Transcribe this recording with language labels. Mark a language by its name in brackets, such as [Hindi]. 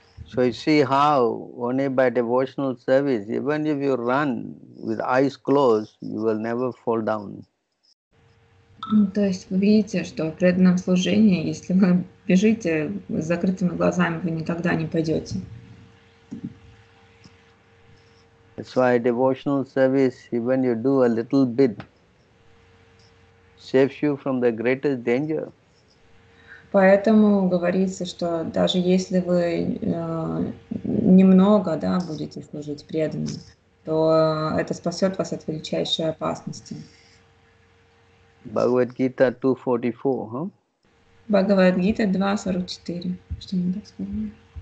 [English] So you see how only by devotional service, even if you run with eyes closed, you will never fall down. [Russian] То есть вы видите, что в преданном служении, если вы бежите с закрытыми глазами, вы никогда не пойдете. [English] That's why devotional service, even you do a little bit, saves you from the greatest danger. [Russian] Поэтому говорится, что даже если вы немного, да, будете служить преданным, то это спасет вас от величайшей опасности. [English] Bhagavad Gita 2:44, [Russian] huh? Bhagavad Gita 2:44. Что мы так сказали?